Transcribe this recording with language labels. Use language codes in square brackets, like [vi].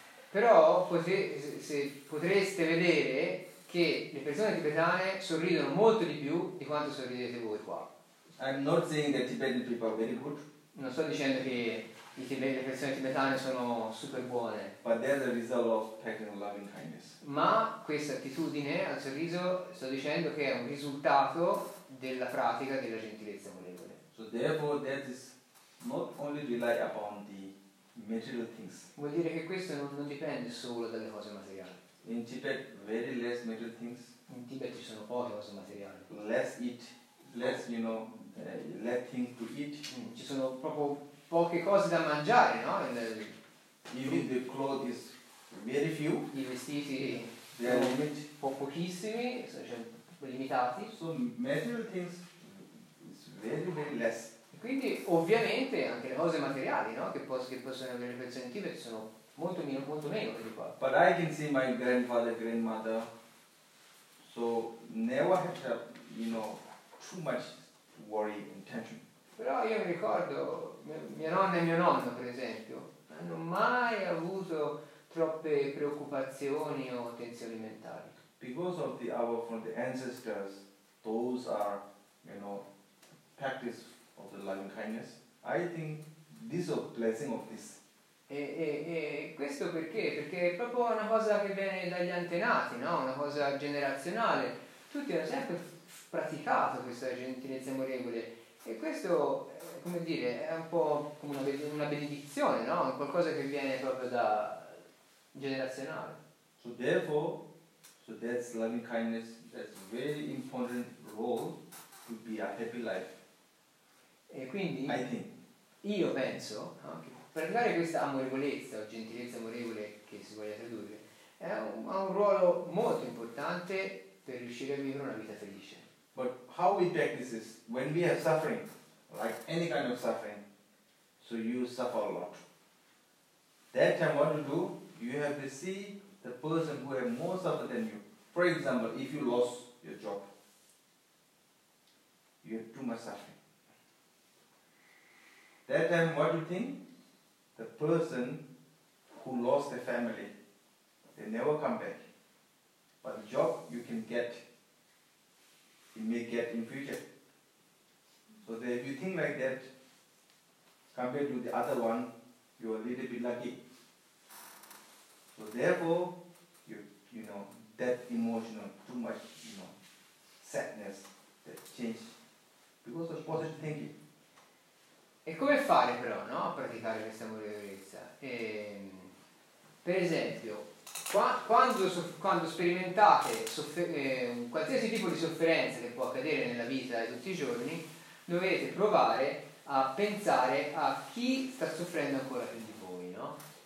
[it] Però potreste vedere che le persone tibetane sorridono molto di più di quanto sorridete voi qua. [en] I'm not saying that Tibetan people are very good. [it] Non sto dicendo che le persone tibetane sono super buone. [en] But they're the result of taking loving kindness. [it] Ma questa attitudine al sorriso, sto dicendo che è un risultato della pratica della gentilezza amorevole. [en] So therefore that is not only rely upon the material things. [it] Vuol dire che questo non dipende solo dalle cose materiali. [en] In Tibet very less material things. [it] In Tibet ci sono poche cose materiali. [en] Less things to eat. [it] Ci sono proprio poche cose da mangiare, no? [en] Even the clothes very few. [it] I vestiti pochissimi, cioè limitati. [en] So material things is very very less. [it] E quindi ovviamente anche le cose materiali, no? Che possono avere persone in Tibet sono molto meno di qua. [en] But I can see my grandfather, grandmother, so never had to, you know, too much worry and tension. [it] Però io mi ricordo mia nonna e mio nonno, per esempio, hanno mai avuto troppe preoccupazioni o tensioni mentali. [en] Because of the our from the ancestors, those are, you know, practice of the loving kindness. I think this is a blessing of this. [it] E questo perché? Perché è proprio una cosa che viene dagli antenati, no? Una cosa generazionale. Tutti hanno sempre praticato questa gentilezza amorevole. E questo, come dire, è un po' come una benedizione, no? Qualcosa che viene proprio da generazionale. [en] So therefore, so that's loving kindness, that's a very important role to be a happy life. [it] E quindi [en] I think. [it] Io penso, no, che praticare questa amorevolezza o gentilezza amorevole che si voglia tradurre, ha un ruolo molto importante per riuscire a vivere una vita felice. [en] But how we practice this when we have suffering, like any kind of suffering, so you suffer a lot. That time what you do, you have to see the person who have more suffered than you. For example, if you lost your job, you have too much suffering. That time what you think? The person who lost their family, they never come back. But the job you can get, you may get in future. So if you think like that, compared to the other one, you're a little bit lucky. So therefore, you know, that emotional, too much, you know, sadness, that change, because of positive thinking. [it] E come fare però, no, a praticare questa amorevolezza? Per esempio, quando sperimentate qualsiasi tipo di sofferenza che può accadere nella vita di tutti i giorni, dovete provare a pensare a chi sta soffrendo ancora più di voi, no?